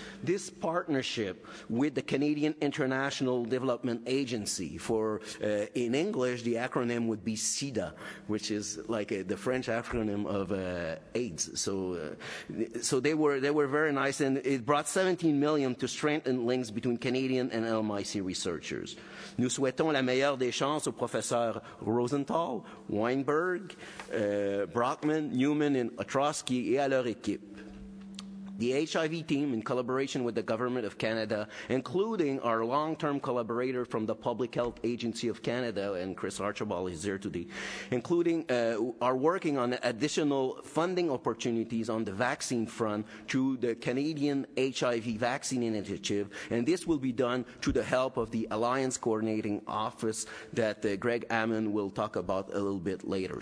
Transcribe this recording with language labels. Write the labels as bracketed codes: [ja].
[en] This partnership with the Canadian International Development Agency, for in English, the acronym would be CIDA, which is like the French acronym of AIDS. So they were very nice, and it brought $17 million to strengthen links between Canadian and LMIC researchers. [fr] Nous souhaitons la meilleure des chances aux professeurs Rosenthal, Weinberg, Brockman, Newman et Otroski et à leur équipe. [en] The HIV team, in collaboration with the Government of Canada, including our long-term collaborator from the Public Health Agency of Canada, and Chris Archibald is here today, including are working on additional funding opportunities on the vaccine front through the Canadian HIV Vaccine Initiative, and this will be done through the help of the Alliance Coordinating Office that Greg Ammon will talk about a little bit later.